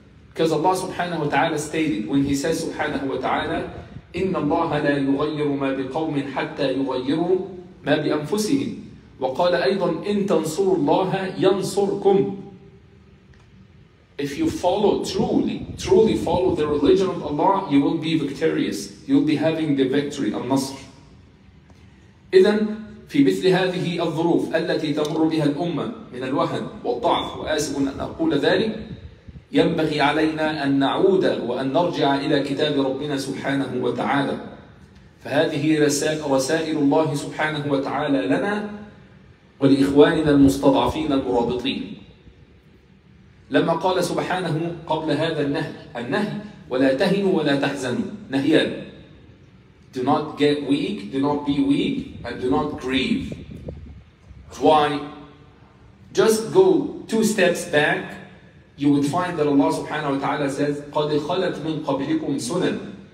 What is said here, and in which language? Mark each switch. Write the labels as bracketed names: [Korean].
[English] Because Allah subhanahu wa ta'ala stated, when He says subhanahu wa ta'ala, [Arabic] إِنَّ اللَّهَ لَا يُغَيِّرُ مَا بِقَوْمٍ حَتَّى يُغَيِّرُوا مَا بِأَنفُسِهِمْ. وَقَالَ أَيْضًا إِن تَنْصُرُ اللَّهَ يَنْصُرْكُمْ. [English] If you follow, truly, truly follow the religion of Allah, you will be victorious. You'll be having the victory, النصر. [Arabic] إذن في مثل هذه الظروف التي تمر بها الأمة من الوهن والضعف، وآسف أن أقول ذلك، ينبغي علينا أن نعود وأن نرجع إلى كتاب ربنا سبحانه وتعالى. فهذه رسائل الله سبحانه وتعالى لنا ولإخواننا المستضعفين المرابطين. لما قال سبحانه قبل هذا النهي ولا تهنوا ولا تحزنوا نهيان: [English] Do not get weak, do not be weak, and do not grieve. Why? Just go two steps back, you would find that Allah subhanahu wa ta'ala says, [Arabic] قَدْ خَلَتْ مِنْ قَبْلِكُمْ سُنَنْ.